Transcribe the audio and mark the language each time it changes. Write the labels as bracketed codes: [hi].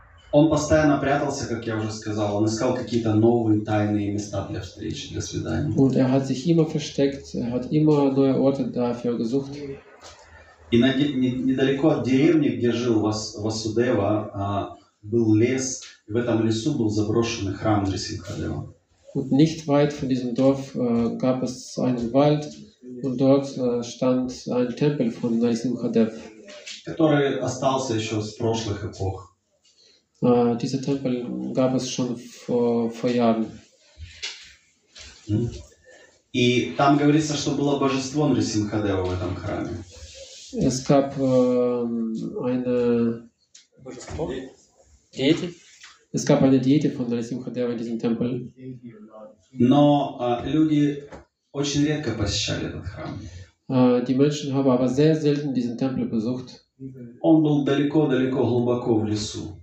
[ru] Он постоянно прятался, как я уже сказал, он искал какие-то новые тайные места для встречи, для свидания. [de] Und er hat sich immer versteckt, er hat immer neue Orte dafür gesucht. [ru] И недалеко от деревни, где жил Васудева, был лес, и в этом лесу был заброшенный храм Нарсимхадева. [de] Und nicht weit von diesem Dorf gab es einen Wald, und dort stand ein Tempel von Narsimhadev. [ru] Который остался еще с прошлых эпох. [de] Dieser Tempel gab es schon vor Jahren. [ru] И там говорится, что было божество Нарсимхадева в этом храме. [de] Es gab eine Deity. Es gab eine Deity von Нарсимхадева in diesem Tempel. [ru] Но люди очень редко посещали этот храм. [de] Die Menschen haben aber sehr selten diesen Tempel besucht. [ru] Он был далеко-далеко глубоко в лесу.